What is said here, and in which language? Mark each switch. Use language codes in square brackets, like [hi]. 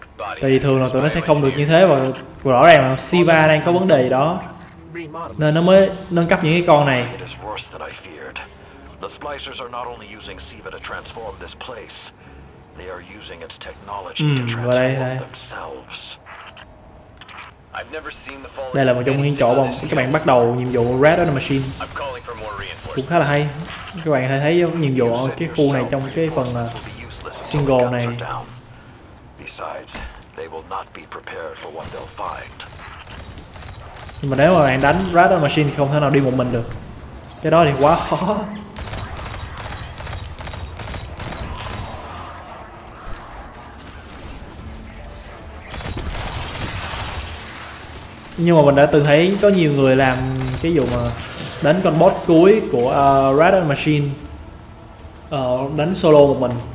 [vi] Tại vì thường là tụi nó sẽ không được như thế và rõ ràng là Siva đang có vấn đề gì đó. nên nó mới nâng cấp những cái con này. [en] It is worse than I feared. The splicers are not only using SIVA to transform this place, they are using its technology to transform themselves. I've never seen the fallen. [vi] Đây là một trong những chỗ mà các bạn bắt đầu nhiệm vụ Red on the Machine. Cũng khá là hay. Các bạn có thể thấy nhiệm vụ ở cái khu này trong cái phần single này. [en] Besides, they will not be prepared for what they'll find. [vi] Nhưng mà nếu mà bạn đánh Red on the Machine thì không thể nào đi một mình được. Cái đó thì quá khó. Nhưng mà mình đã từng thấy có nhiều người làm cái vụ mà đánh con boss cuối của Red on the Machine đánh solo một mình.